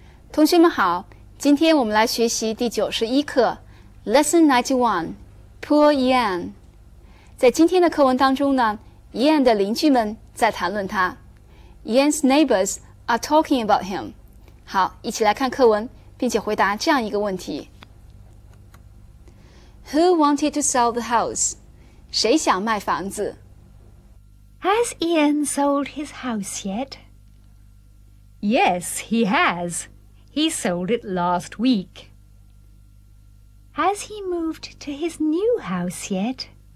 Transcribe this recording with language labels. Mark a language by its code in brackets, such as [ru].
[zh] 同学们好，今天我们来学习第91课 [en] Lesson 91 Poor Ian。 [zh] 在今天的课文当中呢， Ian 的邻居们在谈论他。 [en] Ian's neighbors are talking about him。 [zh] 好，一起来看课文，并且回答这样一个问题。 [en] Who wanted to sell the house? [zh] 谁想卖房子？ [en] Has Ian sold his house yet? Yes, he has. He sold it last week. Has he moved to his new house yet?